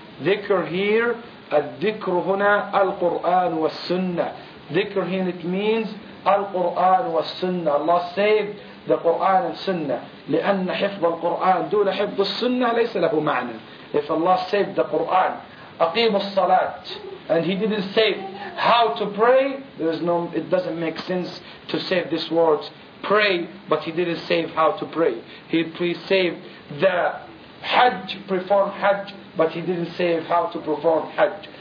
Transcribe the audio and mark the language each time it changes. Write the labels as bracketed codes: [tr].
[en] Dhikr here, [ar] الذكر هنا القرآن والسنة. [en] Dhikr here, it means [ar] القرآن والسنة. [en] Allah saved the Quran and Sunnah. [ar] لأن حفظ القرآن دون حفظ السنة ليس له معنى. [en] If Allah saved the Quran, [ar] أقيم الصلاة, [en] and he didn't save how to pray, it doesn't make sense to save this word pray, but he didn't save how to pray. He saved the Hajj, perform Hajj, but he didn't say how to perform Hajj.